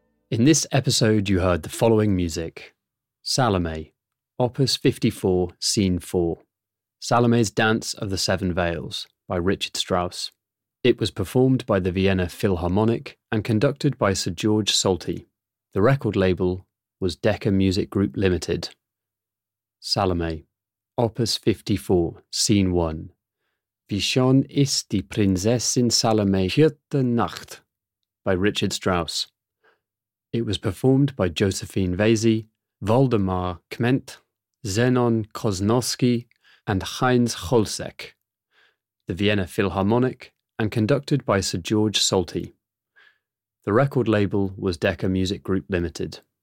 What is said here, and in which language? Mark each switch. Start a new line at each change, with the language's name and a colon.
English: In this episode, you heard the following music: Salome, Opus 54, Scene 4, Salome's Dance of the Seven Veils by Richard Strauss. It was performed by the Vienna Philharmonic and conducted by Sir George Salty. The record label was Decca Music Group Limited. Salome, Opus 54, Scene 1.
German: Wie schön ist die Prinzessin Salome heute Nacht by Richard Strauss.
English: It was performed by Josephine Vasey, Waldemar Kment, Zenon Kosnowski, and Heinz Holzek, the Vienna Philharmonic, and conducted by Sir George Salty. The record label was Decca Music Group Limited.